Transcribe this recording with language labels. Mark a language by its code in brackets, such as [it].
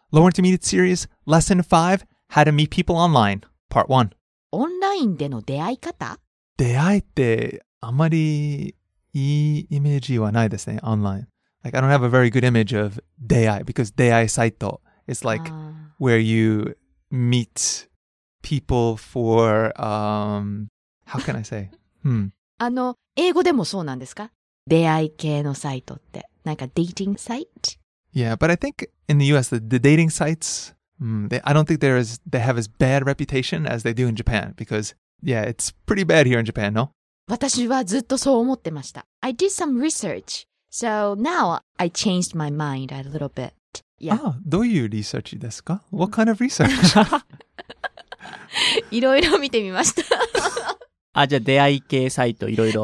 [en] Low Intermediate Series Lesson 5: How to Meet People Online, Part 1. [ja] オンラインでの出会い方？出会いってあまりいいイメージはないですね。 [en] Online, like I don't have a very good image of 出会い because 出会いサイト is like where you meet people for how can I say? 、hmm. [ja] あの英語でもそうなんですか？出会い系のサイトって。 [en] Like a dating site? Yeah, but I think in the US, the dating sites, I don't think they have as bad reputation as they do in Japan. Because, yeah, it's pretty bad here in Japan, no? [ja] 私はずっとそう思ってました。 [en] I did some research, so now I changed my mind a little bit. Yeah. Ah, [ja] どういうリサーチですか? [en] What kind of research? [ja] いろいろ見てみました。あ、じゃあ出会い系サイトいろいろ。